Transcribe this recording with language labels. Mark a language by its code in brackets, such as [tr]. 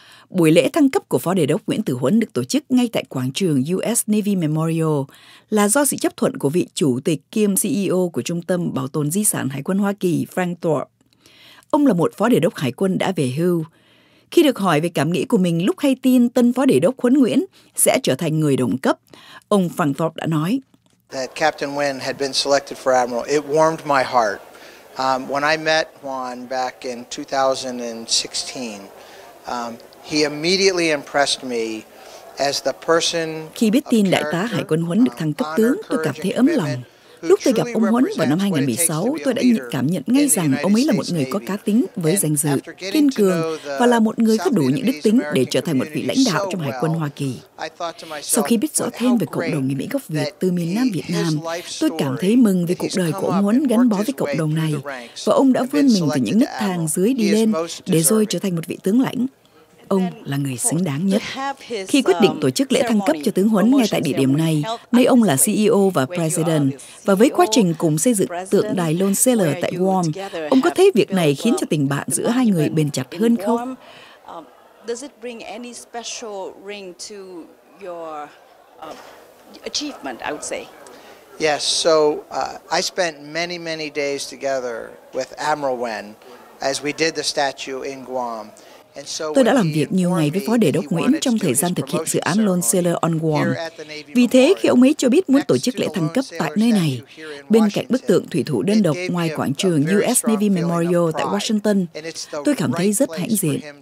[vi] Buổi lễ thăng cấp của Phó Đề đốc Nguyễn Tử Huấn được tổ chức ngay tại quảng trường US Navy Memorial là do sự chấp thuận của vị chủ tịch kiêm CEO của Trung tâm Bảo tồn Di sản Hải quân Hoa Kỳ, Frank Thorpe. Ông là một Phó Đề đốc Hải quân đã về hưu. Khi được hỏi về cảm nghĩ của mình lúc hay tin tân Phó Đề đốc Huấn Nguyễn sẽ trở thành người đồng cấp, ông Frank Thorpe đã nói: [en] "That Captain Nguyễn had been selected for admiral, it warmed my heart. When I met Juan back in 2016, he immediately impressed me as the person." [vi] Khi biết tin đại tá Hải quân Huấn được thăng cấp tướng, tôi cảm thấy ấm lòng. Lúc tôi gặp ông Huấn vào năm 2016, tôi đã cảm nhận ngay rằng ông ấy là một người có cá tính với danh dự, kiên cường và là một người có đủ những đức tính để trở thành một vị lãnh đạo trong Hải quân Hoa Kỳ. Sau khi biết rõ thêm về cộng đồng người Mỹ gốc Việt từ miền Nam Việt Nam, tôi cảm thấy mừng vì cuộc đời của ông Huấn gắn bó với cộng đồng này, và ông đã vươn mình từ những nấc thang dưới đi lên để rồi trở thành một vị tướng lãnh. Ông là người xứng đáng nhất. Khi quyết định tổ chức lễ thăng cấp cho tướng Huấn ngay tại địa điểm này, nơi ông là CEO và President, và với quá trình cùng xây dựng tượng đài Lone Sailor tại Guam, ông có thấy việc này khiến cho tình bạn giữa hai người bền chặt hơn không? [en] Does it bring any special ring to your achievement, I would say? Yes, so I spent many, many days together with Admiral Nguyễn as we did the statue in Guam. [vi] Tôi đã làm việc nhiều ngày với Phó Đề đốc Nguyễn trong thời gian thực hiện dự án Lone Sailor on Guam. Vì thế, khi ông ấy cho biết muốn tổ chức lễ thăng cấp tại nơi này, bên cạnh bức tượng thủy thủ đơn độc ngoài quảng trường US Navy Memorial tại Washington, tôi cảm thấy rất hãnh diện.